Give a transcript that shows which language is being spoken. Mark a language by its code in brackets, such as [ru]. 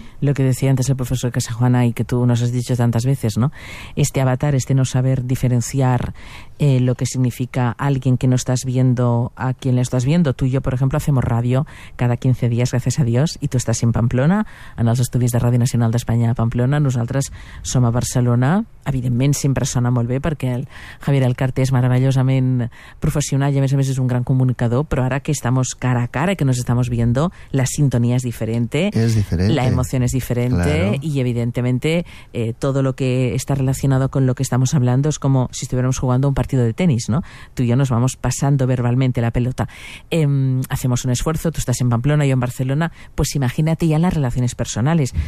[es] Lo que decía antes el profesor Casajuana y que tú nos has dicho tantas veces, ¿no? Este avatar, este no saber diferenciar lo que significa alguien que no estás viendo a quien le estás viendo. Tú y yo, por ejemplo, hacemos radio cada 15 días, gracias a Dios, y tú estás en Pamplona, [ca] en els estudis de Radio Nacional d'Espanya a Pamplona. Nosaltres som a Barcelona. Evidentment, sempre sona molt bé perquè el Javier Alcarte és meravellosament professional i, a més, és un gran comunicador, però ara [es] que estamos cara a cara, que nos estamos viendo, [ca] la sintonia és diferent. És diferent. [es] La emoción es diferente, claro. Y evidentemente todo lo que está relacionado con lo que estamos hablando es como si estuviéramos jugando un partido de tenis, ¿no? Tú y yo nos vamos pasando verbalmente la pelota. Hacemos un esfuerzo, tú estás en Pamplona, yo en Barcelona, pues imagínate ya las relaciones personales.